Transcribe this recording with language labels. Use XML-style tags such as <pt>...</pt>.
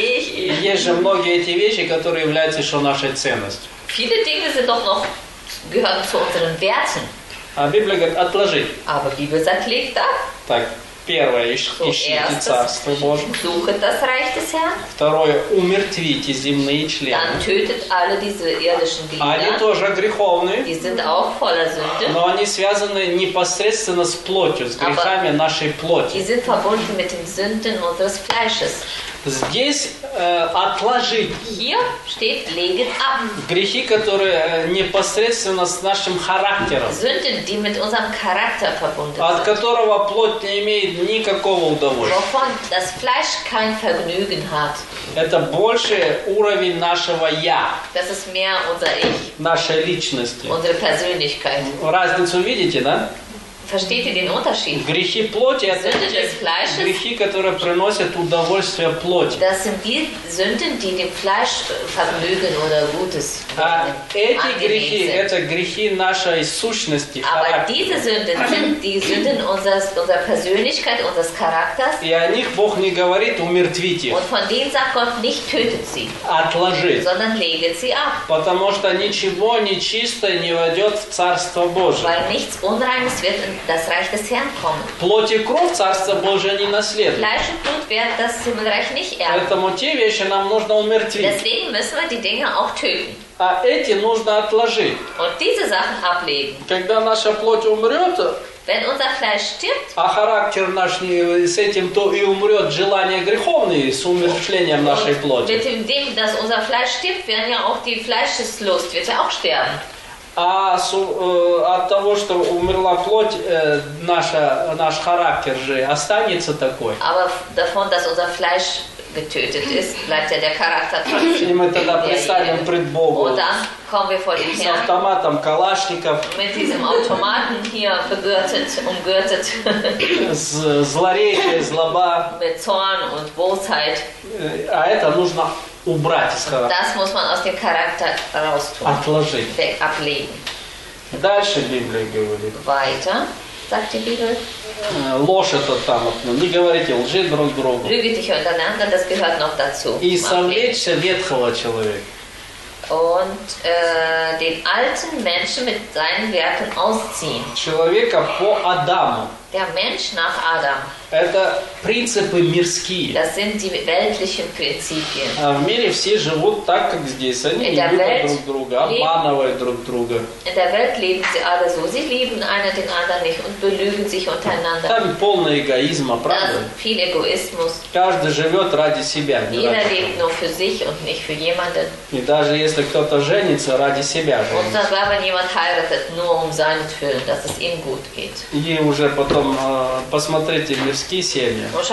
<ru>Есть же многие эти вещи, которые являются еще нашей ценностью.</ru> <de>Viele Dinge sind doch noch, gehören zu unseren Werten.</de> <ru>А Библия говорит, отложи.</ru> <de>Aber Bibel sagt, leg da.</de> <ru>Так. Первое, ищите Царство Божие.</ru> <de>Suche das Reich des Herrn.</de> <ru>Второе, умертвите земные члены.</ru> <de>Dann tötet alle diese irdischen Glieder.</de> <ru>Они тоже греховные.</ru> <de>Die sind auch voller Sünde.</de> <ru>Но они связаны непосредственно с плотью, с грехами</ru> <de>Aber</de> <ru>нашей плоти.</ru> <de>Die sind verbunden mit den Sünden unseres Fleisches.</de> <ru>Здесь отложить.</ru> <de>Hier steht legen ab.</de> <ru>Грехи, которые непосредственно с нашим характером.</ru> <de>Sünden, die mit unserem Charakter verbunden</de> <ru>от которого плоть не имеет никакого удовольствия.</ru> <de>Wovon das Fleisch kein Vergnügen hat.</de> <ru>Это больше уровень нашего я.</ru> <de>Das ist mehr unser Ich.</de> <ru>Нашей личности.</ru> <de>Unsere Persönlichkeit.</de> <ru>Разницу видите, да?</ru> <de>Versteht ihr den Unterschied?</de> <ru>Грехи плоти это грехи, которые приносят удовольствие плоти.</ru> <de>Das sind die Sünden, die dem Fleisch Vergnügen oder Gutes bringen.</de> <ru>Эти грехи это грехи нашей сущности.</ru> <de>Aber diese Sünden sind die Sünden unserer Persönlichkeit, unseres Charakters.</de> <ru>И о них Бог не говорит, умертвите.</ru> <de>Und von denen sagt Gott nicht tötet sie.</de> <ru>Отложи.</ru> <de>Sondern legt sie ab.</de> <ru>Потому что ничего нечистое не войдет в Царство Божие.</ru> <de>Weil nichts Unreines wird das Reich des Herrn kommt.</de> <ru>Плоть и кровь Царство Божие не наследует.</ru> <de>Fleisch und Blut wird das Himmelreich nicht erben.</de> <ru>Поэтому те вещи нам нужно умертвить.</ru> <de>Deswegen müssen wir die Dinge auch töten.</de> <ru>А эти нужно отложить.</ru> <de>Und diese Sachen ablegen.</de> <ru>Когда наша плоть умрет,</ru> <de>wenn unser Fleisch stirbt,</de> <ru>а характер наш с этим, то и умрет желание греховное с умерщвлением нашей плоти.</ru> <de>Mit dem, dass unser Fleisch stirbt, werden ja auch die Fleischeslust, wird ja auch sterben.</de> <ru>А от того, что умерла плоть, наш характер же останется такой.</ru> <de>Aber davon, dass unser Fleisch getötet ist, bleibt ja der Charakter trotzdem.</de> <ru>И мы тогда предстанем пред Богом.</ru> <de>Und dann kommen wir vor den Herrn.</de> <ru>С автоматом Калашников.</ru> <de>Mit diesem Automaten hier vergürtet, umgürtet.</de> <ru>Злоречие, злоба.</ru> <de>Mit Zorn und Bosheit.</de> <ru>А это нужно убрать из характера.</ru> <de>Das muss man aus dem Charakter raustun.</de> <ru>Отложить.</ru> <de>Weg, ablegen.</de> <ru>Дальше Библия говорит.</ru> <de>Weiter, sagt die Bibel.</de> <ru>Ложь это там, не говорите лжи друг другу.</ru> <de>Lüge dich untereinander, das gehört noch dazu.</de> <ru>И совлечься ветхого человека.</ru> <de>Und den alten Menschen mit seinen Werken ausziehen.</de> <ru>Человека по Адаму.</ru> <de>Der Mensch nach Adam.</de> <ru>Это принципы мирские.</ru> <de>Das sind die weltlichen Prinzipien.</de> <ru>А в мире все живут так, как здесь. Они in не любят друг друга, обманывают друг друга.</ru> <de>In der Welt leben sie alle so. Sie lieben einer den anderen nicht und belügen sich untereinander.</de> <ru>Там полный эгоизма, правда?</ru> <de>Das viel Egoismus.</de> <ru>Каждый живет ради себя.</ru> <de>Jeder lebt nur für sich und nicht für jemanden.</de> <ru>И даже если кто-то женится, ради себя женится.</ru> <de>Und sogar wenn jemand heiratet, nur um seinetwillen, dass es ihm gut geht.</de> <ru>И уже потом посмотрите мирские семьи.</ru>